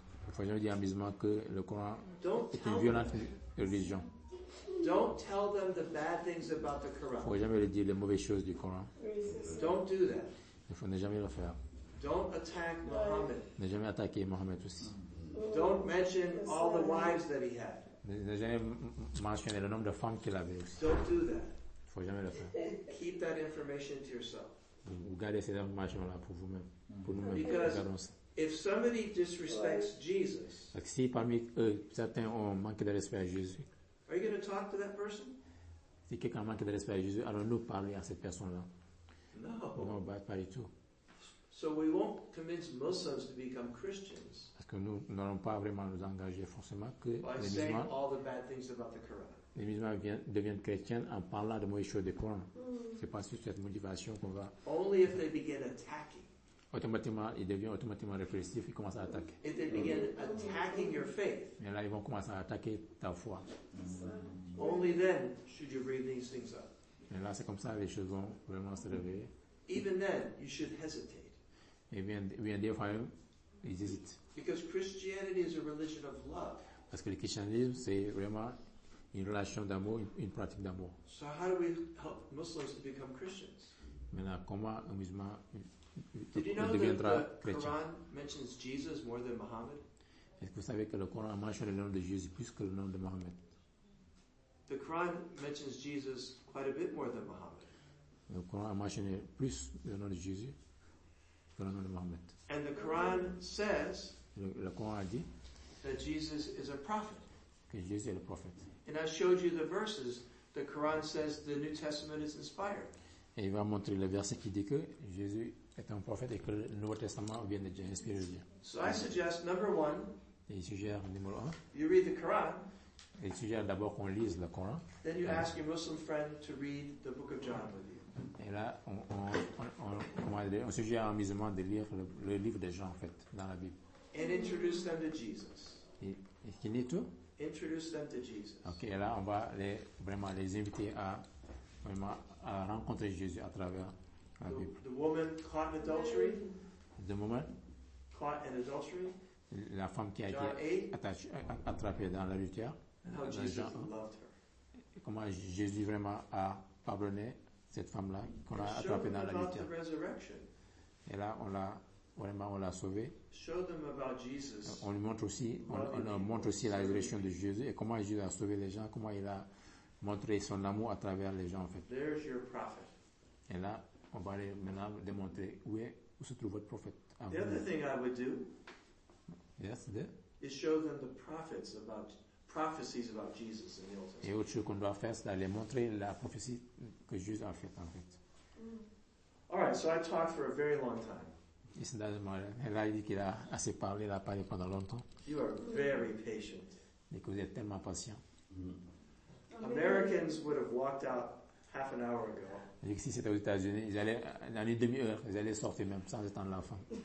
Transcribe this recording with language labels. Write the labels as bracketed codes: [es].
[fr] Faut jamais dire à un musulman que le Coran est une violente religion. [en] Don't tell them the bad things about the Quran. [fr] Faut jamais leur dire les mauvaises choses du Coran. [en] Don't do that. [fr] Il faut ne jamais le faire. [en] Don't attack Muhammad. [fr] Ne jamais attaquer Muhammad aussi. [en] Don't mention all the wives that he had. [fr] Ne jamais mentionner le nombre de femmes qu'il avait aussi. [en] Don't do that. [fr] Faut jamais le faire. [en] Keep that information to yourself. [fr] Vous gardez ces informations-là pour vous-même, pour nous-mêmes. [en] Because if somebody disrespects Jesus, [fr] like si parmi eux, certains ont manqué de respect à Jésus, [en] are you going to talk to that person? [fr] Si quelqu'un manque de respect à Jésus, allons-nous parler à cette personne-là? [en] No. [fr] No, pas du tout. [en] So we won't convince Muslims to become Christians. [fr] Parce que nous n'allons pas vraiment nous engager forcément que les musulmans. [en] By saying all the bad things about the Quran. [fr] Les musulmans deviennent chrétiens en parlant de mauvaises choses du Coran. C'est pas sur cette motivation qu'on va. [en] Only if they begin attacking. [fr] Automatiquement, ils deviennent automatiquement répressifs, ils commencent à attaquer. [en] If they begin attacking your faith. [fr] Mais là, ils vont commencer à attaquer ta foi. [en] Only then should you bring these things up. [fr] Mais là, c'est comme ça que les choses vont vraiment se réveiller. [en] Even then, you should hesitate. [fr] Et bien des fois, ils hésitent. [en] Because Christianity is a religion of love. [fr] Parce que le christianisme, c'est vraiment une relation d'amour, une pratique d'amour. [en] So how do we help Muslims to become Christians? [fr] Maintenant, comment un musulman deviendra chrétien? [en] Did you know that the Quran mentions Jesus more than Muhammad? [fr] Est-ce que vous savez que le Coran mentionne le nom de Jésus plus que le nom de Mohammed? [en] The Quran mentions Jesus quite a bit more than Muhammad. [fr] Le Coran a mentionné plus le nom de Jésus que le nom de Mohammed. [en] And the Quran says [fr] le Coran a dit [en] that Jesus is a prophet. [fr] Que Jésus est le prophète. [en] And I showed you the verses. The Quran says the New Testament is inspired. [fr] Et il va montrer le verset qui dit que Jésus est un prophète et que le Nouveau Testament vient de Dieu, inspiré de Dieu. [en] So I suggest number one. [fr] Et il suggère numéro un. [en] You read the Quran. [fr] Il suggère d'abord qu'on lise le Coran. [en] Then you ask your Muslim friend to read the Book of John with you. [fr] Et là, on suggère à un musulman de lire le livre de Jean, en fait, dans la Bible. [en] And introduce them to Jesus. [fr] Et qui dit tout? [en] Introduce them to Jesus. [fr] Ok, et là, on va les inviter à vraiment à rencontrer Jésus à travers la Bible. [en] The woman caught in adultery. The woman caught in adultery. [fr] La femme qui a [en] John [fr] été [en] 8, [fr] attrapée dans l'adultère. [en] And how Jesus loved her. [fr] Comment Jésus vraiment a pardonné cette femme-là qu'on a attrapée dans la lutte. Et là, on l'a sauvée. [en] Show them about Jesus. [fr] On lui montre aussi, on montre aussi la résurrection de Jésus et comment Jésus a sauvé les gens, comment il a montré son amour à travers les gens, en fait. [en] There's your prophet. [fr] Et là, on va aller maintenant démontrer où se trouve votre prophète. [en] The other thing I would do yes, is show them the prophets about prophecies about Jesus in the Old Testament. [fr] Et autre chose qu'on doit faire, c'est d'aller montrer la prophétie que Jésus a faite, en fait. [en] All right, so I talked for a very long time. [fr] Elle a dit qu'il a assez parlé, il a parlé pendant longtemps. [en] You are very patient. [fr] Et que vous êtes tellement patient. [en] Americans would have walked out half an hour ago. [fr] Et que si c'était aux États-Unis, ils allaient dans une demi-heure, ils allaient sortir même sans attendre l'enfant.